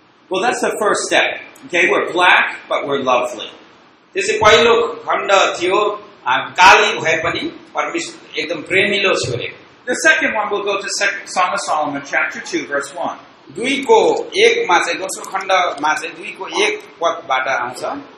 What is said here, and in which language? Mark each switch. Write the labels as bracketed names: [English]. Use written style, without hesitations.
[English] Well, that's the first step. Okay, we're black, but we're lovely. [Nepali] त्यो चाहिँ पहिलो खण्ड थियो. काली भए पनि परमेश्वर एकदम प्रेमिलो छु रे. [English] The second one, we'll go to Song of Solomon, chapter 2, verse 1. [Nepali] दुईको एकमा चाहिँ दोस्रो खण्डमा चाहिँ दुईको एक पदबाट आउँछ.